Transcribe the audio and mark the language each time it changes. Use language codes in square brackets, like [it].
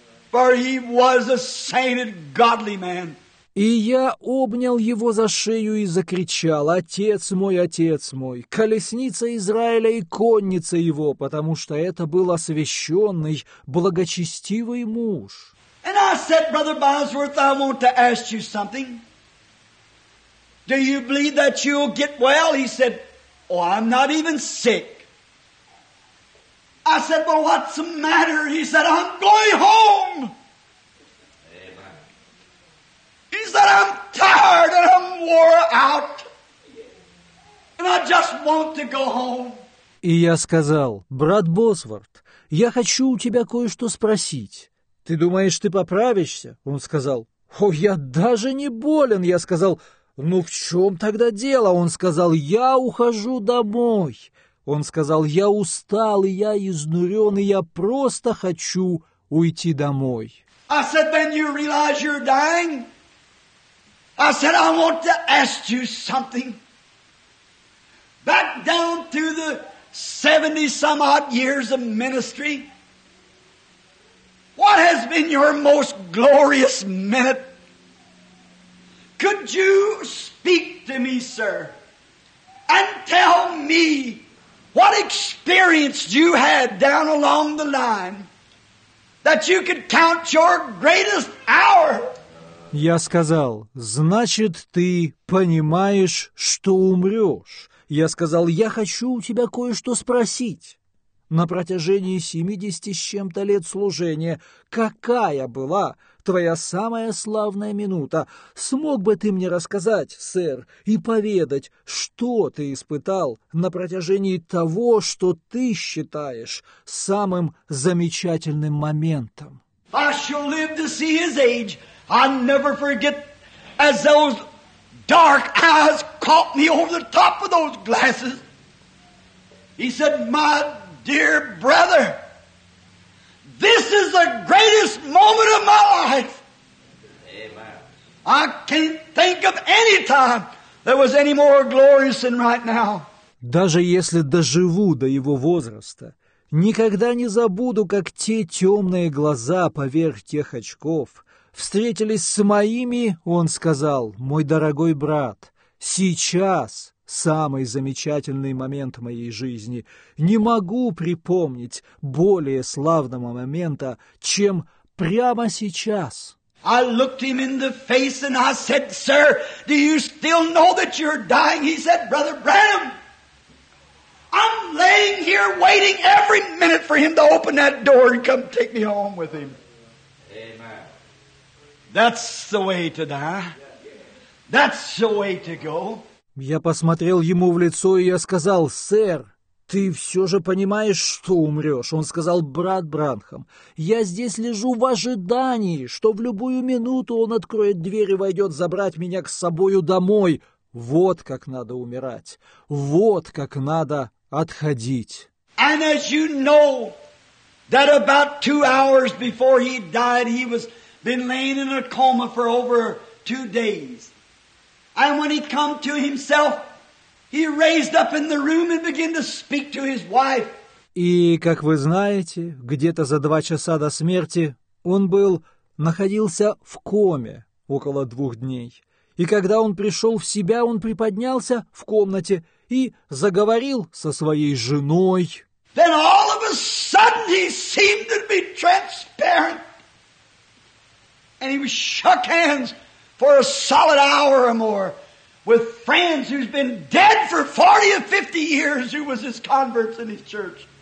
[en] For he was a saint and godly man. [ru] И я обнял его за шею и закричал: отец мой, колесница Израиля и конница его, потому что это был освященный, благочестивый муж. [en] And I said, Brother Bosworth, I want to ask you something. Do you believe that you'll get well? He said, oh, I'm not even sick. I said, well, what's the matter? He said, I'm going home. He said, I'm tired and I'm wore out. And I just want to go home. [ru] И я сказал: брат Босфорд, я хочу у тебя кое-что спросить. Ты думаешь, ты поправишься? Он сказал: о, я даже не болен. Я сказал: ну в чем тогда дело? Он сказал: я ухожу домой. Он сказал: я устал, и я изнурен, и я просто хочу уйти домой. [en] I said, then you realize you're dying? I said, I want to ask you something. Back down to the 70-some-odd years of ministry, what has been your most glorious minute? Could you speak to me, sir, and tell me what experience you had down along the line that you could count your greatest hour? [ru] Я сказал: значит, ты понимаешь, что умрешь. Я сказал: я хочу у тебя кое-что спросить. На протяжении 70 с чем-то лет служения какая была твоя самая славная минута? Смог бы ты мне рассказать, сэр, и поведать, что ты испытал на протяжении того, что ты считаешь самым замечательным моментом? [en] I shall live to see his age. I'll never forget as those dark eyes caught me over the top of those glasses. He said, my dear brother, this is the greatest moment of my life. Amen. I can't think of any time that was any more glorious than right now. [ru] Даже если доживу до его возраста, никогда не забуду, как те темные глаза поверх тех очков встретились с моими, он сказал: мой дорогой брат, сейчас самый замечательный момент моей жизни. Не могу припомнить более славного момента, чем прямо сейчас. [en] I looked him in the face and I said, "Sir, do you still know that you're dying?" He said, "Brother Branham, I'm laying here waiting every minute for him to open that door and come take me home with him." Amen. That's the way to die. That's the way to go. [ru] Я посмотрел ему в лицо, и я сказал: «Сэр, ты все же понимаешь, что умрешь?» Он сказал: «Брат Бранхам, я здесь лежу в ожидании, что в любую минуту он откроет дверь и войдет забрать меня к собою домой. Вот как надо умирать. Вот как надо отходить». [en] And as you know, that about 2 hours before he died, he was been laying in a coma for over 2 days. And when he come to himself, he raised up in the room and began to speak to his wife. [ru] И, как вы знаете, где-то за 2 часа до смерти он был, находился в коме около 2 дней. И когда он пришел в себя, он приподнялся в комнате и заговорил со своей женой. [en] Then all of a sudden he seemed to be transparent. And he was shook hands for a solid hour or more with friends who's been dead for 40 or 50 years who was his converts in his church.